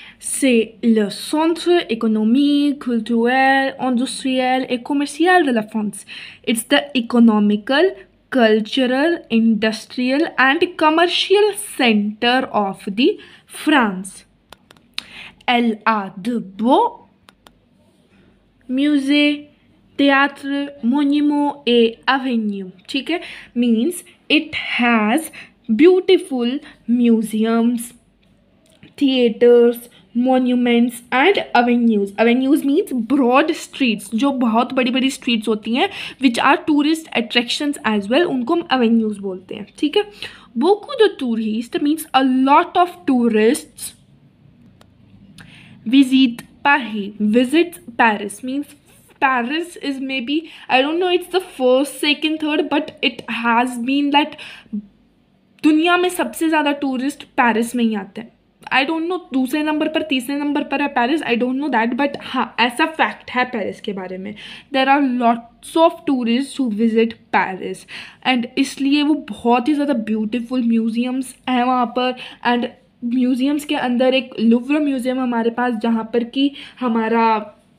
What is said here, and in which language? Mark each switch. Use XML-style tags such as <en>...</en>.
<fr>C'est le centre économique, culturel, industriel et commercial de la France.</fr> <en>It's the economical, cultural, industrial and commercial center of the France.</en> <fr>Elle a de beaux musées, théâtres, monuments et avenues.</fr> <hi>ठीक है,</hi> <en>means it has beautiful museums, theaters, monuments and avenues. Avenues means broad streets,</en> <hi>जो बहुत बड़ी बड़ी</hi> <en>streets</en> <hi>होती हैं,</hi> <en>which are tourist attractions as well,</en> <hi>उनको हम</hi> <en>avenues</en> <hi>बोलते हैं, ठीक है.</hi> <fr>Beaucoup de touristes</fr> <en>means a lot of tourists visit Paris. Visit Paris means Paris is maybe, I don't know, it's the first, second, third, but it has been that</en> <hi>दुनिया में सबसे ज़्यादा</hi> <en>tourist Paris</en> <hi>में ही आते हैं.</hi> <en>I don't know</en> <hi>दूसरे number पर तीसरे नंबर पर है Paris,</hi> <en>I don't know that, but</en> <hi>हाँ ऐसा फैक्ट है पेरिस के बारे में.</hi> <en>there are lots of tourist who visit Paris and</en> <hi>इसलिए वो बहुत ही ज़्यादा</hi> <en>beautiful museums</en> <hi>हैं वहाँ पर. एंड म्यूजियम्स के अंदर एक लुव्र म्यूजियम हमारे पास, जहाँ पर कि हमारा</hi>